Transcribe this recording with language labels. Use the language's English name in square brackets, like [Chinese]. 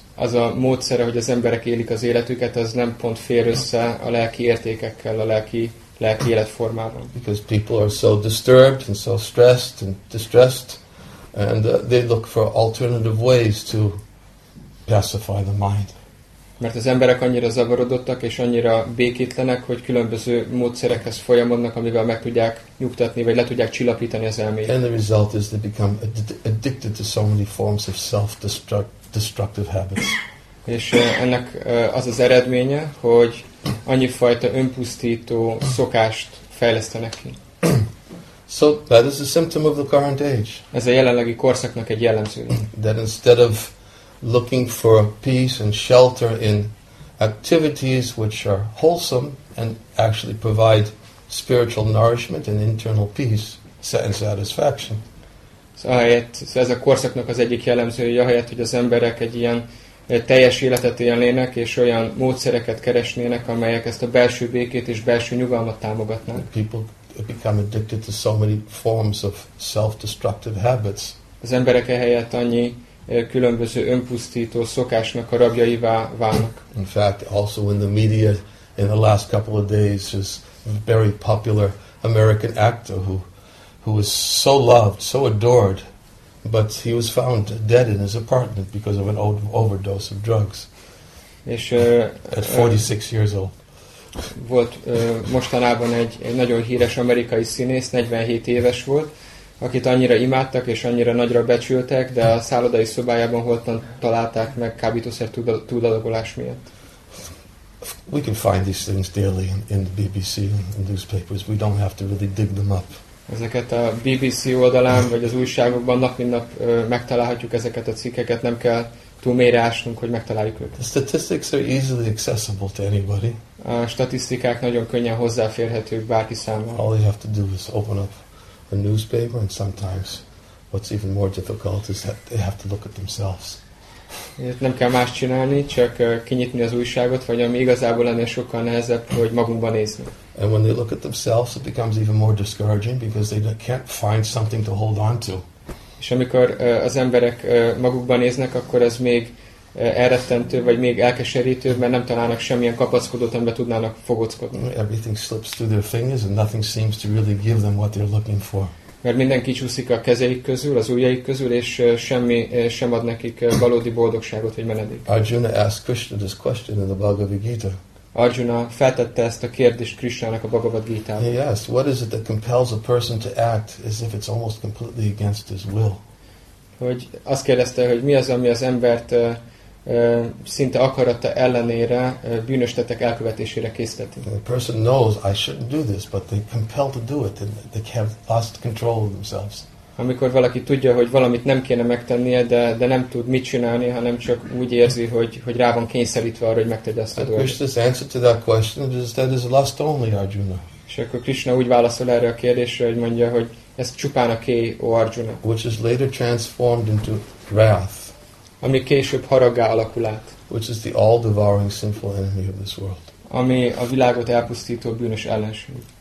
[Hungarian] Az a módszer, hogy az emberek élik az életüket, az nem pont fér össze a lelki értékekkel, a lelki életformával. [English] Because people are so disturbed and so stressed and distressed, and they look for alternative ways to pacify the mind. [Hungarian] Mert az emberek annyira zavarodottak és annyira békétlenek, hogy különböző módszerekhez folyamodnak, amivel meg tudják nyugtatni vagy le tudják csillapítani az elmét. [English] And the result is they become addicted to so many forms of self-destructive habits. [Hungarian] És ennek az az eredménye, hogy annyi fajta önpusztító szokást fejlesztenek ki. [English] So that is a symptom of the current age. [Hungarian] Ez a jelenlegi korszaknak egy jellemzője. [English] That instead of looking for peace and shelter in activities which are wholesome and actually provide spiritual nourishment and internal peace and satisfaction. [Hungarian] Ez a korszaknak az egyik jellemzője, ahelyett, hogy az emberek egy ilyen teljes életet élnének és olyan módszereket keresnének, amelyek ezt a belső békét és belső nyugalmat támogatnák. [English] People become addicted to so many forms of self-destructive habits. [Hungarian] Az emberek ehelyett annyi különböző önpusztító szokásnak a rabjaivá válnak. [English] In fact, also in the media in the last couple of days is a very popular American actor who was so loved, so adored, but he was found dead in his apartment because of an overdose of drugs. [Hungarian] És [English] at 46 years old. [Hungarian] Volt mostanában egy nagyon híres amerikai színész, 47 éves volt, akit annyira imádtak és annyira nagyra becsültek, de a szállodai szobájában holtan találták meg kábítószer túladagolás miatt. [English] We can find these things daily in the BBC and newspapers. We don't have to really dig them up. [Hungarian] Ezeket a BBC oldalán vagy az újságokban nap mint nap megtalálhatjuk ezeket a cikkeket, nem kell túl mélyre ásnunk, hogy megtaláljuk őket. [English] The statistics are easily accessible to anybody. [Hungarian] A statisztikák nagyon könnyen hozzáférhetők bárki számára. [English] All you have to do is open up a newspaper, and sometimes what's even more difficult is that they have to look at themselves. [Hungarian] Nem kell más csinálni, csak kinyitni az újságot, vagy ami igazából ennél sokkal nehezebb, hogy magunkba nézni. [English] And when they look at themselves, it becomes even more discouraging because they can't find something to hold on to. [Hungarian] És amikor az emberek magukban néznek, akkor ez még elrettentő, vagy még elkeserítő, mert nem találnak semmilyen kapaszkodót, amiben tudnának fogockodni. [English] Everything slips through their fingers, and nothing seems to really give them what they're looking for. [Hungarian] Mert minden kicsúszik a kezeik közül, az ujjaik közül, és semmi sem ad nekik valódi boldogságot, vagy menedék. [English] Arjuna asked Krishna this question in the Bhagavad Gita. [Hungarian] Arjuna feltette ezt a kérdést Krishnának a Bhagavad Gita-ban. [English] He asked, what is it that compels a person to act as if it's almost completely against his will? [Hungarian] Hogy azt kérdezte, hogy mi az, ami az embert szinte akarata ellenére bűnös tettek elkövetésére készíteti. [English] The person knows I shouldn't do this, but they're compelled to do it and they have lost control of themselves. [Hungarian] Amikor valaki tudja, hogy valamit nem kéne megtennie, de nem tud mit csinálni, hanem csak úgy érzi, hogy rá van kényszerítve arra, hogy megtegye azt a dolgot. [English] Krishna's answer to that question is that is lust only, Arjuna. [Hungarian] És akkor Krishna úgy válaszol erre a kérdésre, hogy mondja, hogy ez csupán a kéj, ó Arjuna. [English] Which is later transformed into wrath. [Hungarian] Ami később haraggá alakul át. [English] Which is the all-devouring sinful enemy of this world. Ami a világot elpusztító bűnös ellenség.